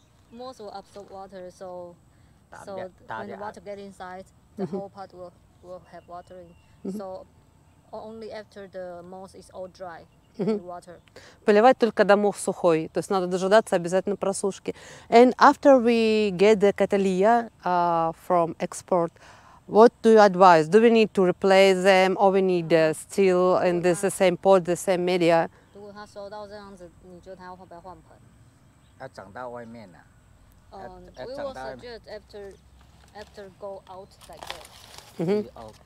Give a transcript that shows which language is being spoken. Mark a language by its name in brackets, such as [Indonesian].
[English] Most will absorb water, so when water gets inside, the whole part will have watering. So only after the moss is all dry. [Russian] Поливать только когда мох сухой, то есть надо дожидаться обязательно просушки. [English] And after we get the catalea from export, what do you advise? Do we need to replace them or we need still in this the same pot, the same media? [Chinese] 如果它收到这样子，你觉得它会不会换盆？要长到外面啊。 [English] We will suggest after go out like that.